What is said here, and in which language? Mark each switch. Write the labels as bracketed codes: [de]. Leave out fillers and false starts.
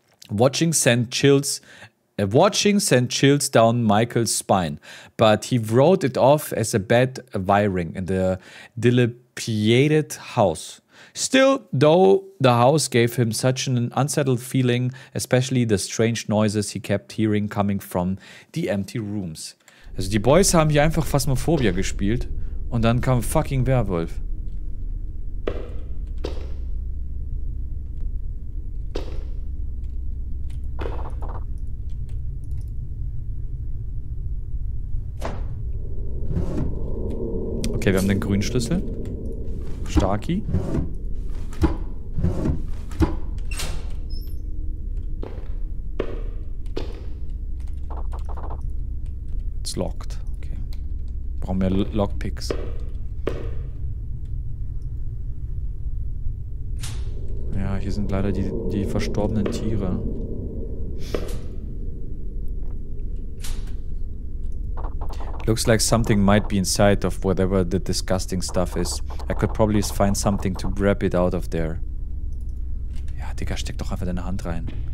[en] Watching sent chills down Michael's spine, but he wrote it off as a bad wiring in the dilapidated house. Still, though, the house gave him such an unsettled feeling, especially the strange noises he kept hearing coming from the empty rooms. [de] Also die Boys haben hier einfach Phasmophobia gespielt und dann kam fucking Werwolf. Okay, wir haben den grünen Schlüssel. Starki. [en] It's locked. Okay. [de] Brauchen wir Lockpicks. Ja, hier sind leider die verstorbenen Tiere. [en] Looks like something might be inside of whatever the disgusting stuff is. I could probably find something to grab it out of there. [de] Ja, Digga, steck doch einfach deine Hand rein.